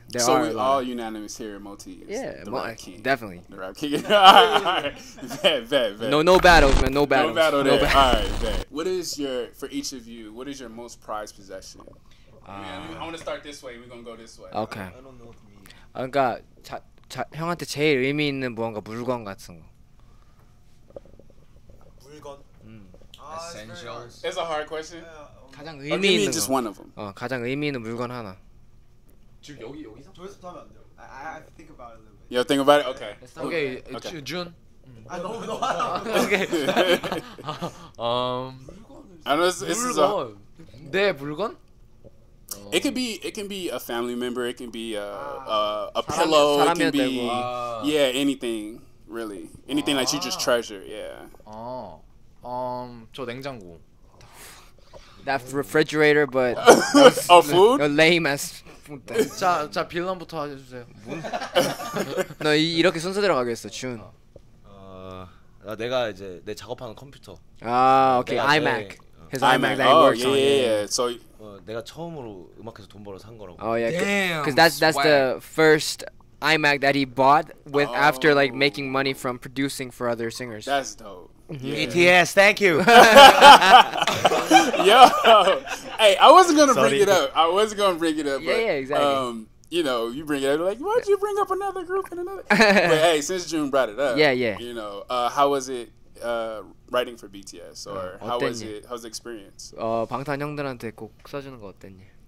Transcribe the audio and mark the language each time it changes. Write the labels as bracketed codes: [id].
[en] all unanimous here at MOTI. Rap King. Definitely. The Rap King. All right. No battles, man. No battles. No battle. All right, bet. What is your, for each of you, what is your most prized possession? I want to start this way. We're going to go this way. Okay. Right? I don't know what to mean. [ko] 형한테 제일 의미 있는 무언가 물건 같은 거. 물건. [en] Essentials. It's a hard question. [ko] 가장 의미 있는 [en] just [ko] 거. [en] One of them. [ko] 가장 의미 있는 물건 하나. 지금 여기서 저에서부터 하면 안 돼요. [en] I have to think about it a little bit. You have to think about it. Okay. Okay. June. I don't know. Okay. I know this is a [ko] 내 물건. [en] It can be a family member. It can be a pillow. It can be anything really. Anything that you just treasure. Yeah. [ko] 저 냉장고. [en] that refrigerator, but a food? A lame ass. [ko] 자, 자 빌런부터 해주세요. 뭔? 너 이, 이렇게 순서대로 가겠어, 준. 나 내가 이제 내 작업하는 컴퓨터. 아, 오케이, iMac. [en] His iMac that he works on. So [ko] 내가 처음으로 음악해서 돈 벌어 산 거라고. [en] Oh yeah, because that's the first iMac that he bought with after like making money from producing for other singers. That's dope. Yeah. BTS, thank you. Yo, hey, I wasn't gonna bring it up. I wasn't gonna bring it up. But, yeah, exactly. You know, you bring it up, like, why'd you bring up another group and another? But hey, since June brought it up, yeah. You know, how was it writing for BTS, or how was the experience? [ko] 방탄 형들한테 곡 써주는 거 어땠니?